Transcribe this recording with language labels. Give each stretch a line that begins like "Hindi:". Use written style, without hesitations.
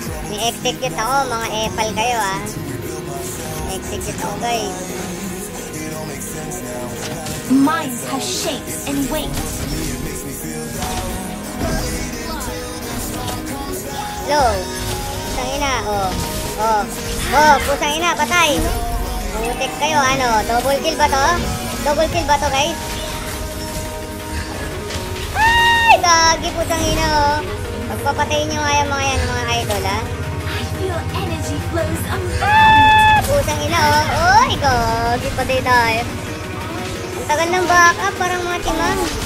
Filipino: May execute ako, mga epal kayo, ah. May execute ako, guys.
English: Mine has shape and weight.
Filipino: Hello? Pusang ina, oh. Oh. Oh, pusang ina, patay. Mabutik kayo, ano? Double kill ba to? Double kill ba to, guys? Ay! Dagi, pusang ina, oh. Magpapatayin nyo nga yung mga yan, mga idol, ha?
English: I feel energy flows unbound.
Filipino: Ah, pusang ina, oh. Oh, ikaw. Ipatay tayo. Ang tagal ng backup, parang mga timang.